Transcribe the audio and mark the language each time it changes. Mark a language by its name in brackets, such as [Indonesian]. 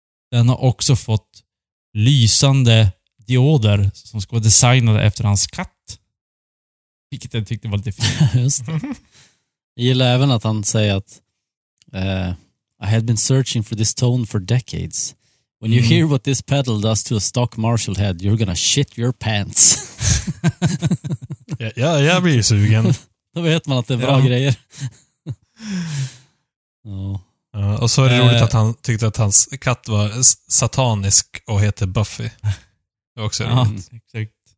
[Swedish] Den har också fått lysande dioder som ska vara designade efter hans katt, vilket jag tyckte var lite fint. Just det. Jag gillar även att han säger att [English] I had been searching for this tone for decades. When you hear what this pedal does to a stock Marshall head, you're gonna shit your pants. [Swedish] Ja, jag blir ju sugen. Då vet man att det är bra grejer. Och så är det roligt att han tyckte att hans katt var satanisk och heter Buffy. Det är också roligt. Exakt.